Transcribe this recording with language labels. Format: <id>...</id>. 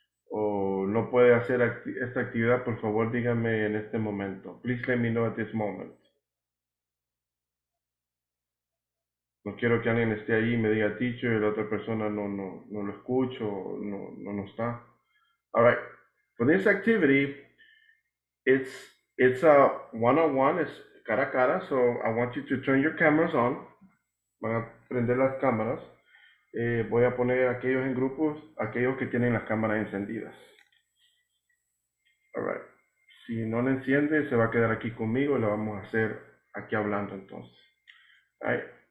<es>O no puede hacer esta actividad, por favor, díganme en este momento.</es> <en>Please let me know at this moment.</en> <es>No quiero que alguien esté ahí y me diga teacher y la otra persona no lo escucho, no está.</es> <en>All right. For this activity, it's a one-on-one, it's</en> <es>cara a cara,</es> <en>so I want you to turn your cameras on.</en> <es>Van a prender las cámaras. Voy a poner aquellos en grupos, aquellos que tienen las cámaras encendidas. All right. Si no la enciende, se va a quedar aquí conmigo y la vamos a hacer aquí hablando entonces. All right.</es>